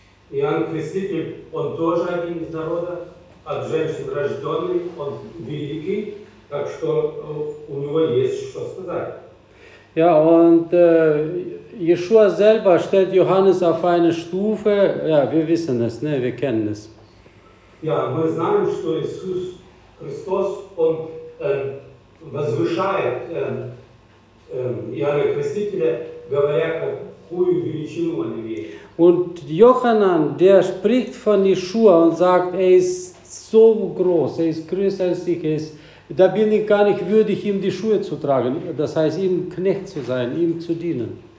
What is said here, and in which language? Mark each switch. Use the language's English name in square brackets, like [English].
[Russian] Иоанн Креститель, он тоже один из народа, от женщин рожденный, он великий. Так что у него есть что сказать. [German] Ja, und Jeschua selber stellt Johannes auf eine Stufe. Ja, wir wissen es, ne? Wir kennen es. [Russian] Ja, мы знаем, что Иисус Христос, он возвышает Иоанна Крестителя, говоря, какую величину он имеет. [German] Und Johannes, der spricht von Jeschua und sagt, er ist so groß, er ist größer als ich, er ist Da bin ich gar nicht würdig, ihm die Schuhe zu tragen, das heißt, ihm Knecht zu sein, ihm zu dienen.